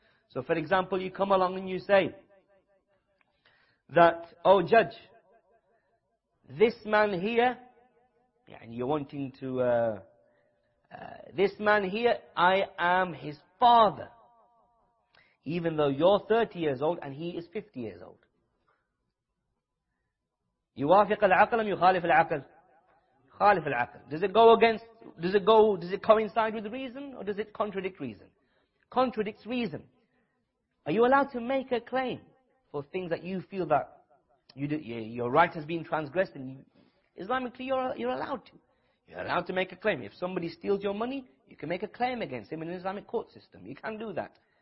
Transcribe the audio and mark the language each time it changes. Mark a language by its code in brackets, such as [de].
[en] So for example, you come along and you say that, oh judge, this man here, and you're wanting to, this man here, I am his father. Even though you're 30 years old and he is 50 years old. [ar] يوافق العقل أم يخالف العقل؟ خالف العقل. [en] Does it coincide with reason or does it contradict reason? Contradicts reason. Are you allowed to make a claim for things that you feel that your right has been transgressed, and Islamically you're allowed to. You're allowed to make a claim. If somebody steals your money, you can make a claim against him in an Islamic court system. You can do that.